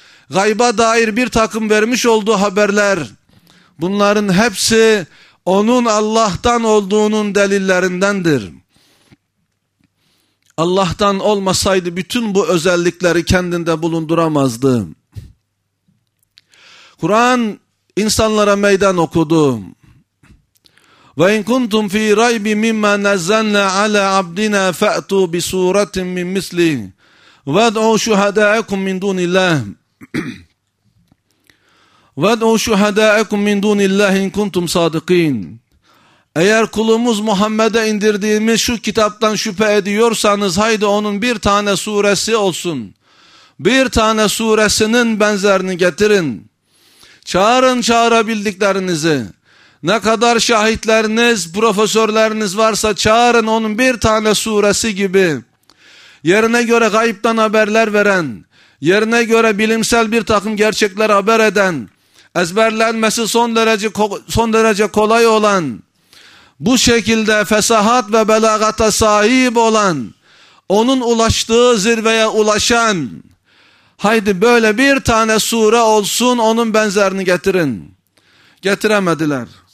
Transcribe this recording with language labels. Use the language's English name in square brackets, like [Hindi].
[Turkish] gayba dair bir takım vermiş olduğu haberler, bunların hepsi onun Allah'tan olduğunun delillerindendir. Allah'tan olmasaydı bütün bu özellikleri kendinde bulunduramazdı. Kur'an insanlara meydan okudu. [Arabic] وَاِنْ كُنْتُمْ ف۪ي رَيْبِ مِمَّا نَزَّلْنَا عَلَى عَبْدِنَا فَأْتُوا بِسُورَةٍ مِنْ مِسْلِهِ وَدْعُوا شُهَدَاءَكُمْ مِنْ دُونِ اللّٰهِ وَدْعُوا شُهَدَاءَكُمْ مِنْ دُونِ اللّٰهِ اِنْ كُنْتُمْ صَادِق۪ينَ [Turkish] Eğer kulumuz Muhammed'e indirdiğimiz şu kitaptan şüphe ediyorsanız, haydi onun bir tane suresi olsun. Bir tane suresinin benzerini getirin. Çağırın çağırabildiklerinizi. Ne kadar şahitleriniz, profesörleriniz varsa çağırın, onun bir tane suresi gibi. Yerine göre gaybtan haberler veren, yerine göre bilimsel bir takım gerçekler haber eden, ezberlenmesi son derece kolay olan, bu şekilde fesahat ve belagata sahip olan, onun ulaştığı zirveye ulaşan, haydi böyle bir tane sure olsun, onun benzerini getirin. Getiremediler.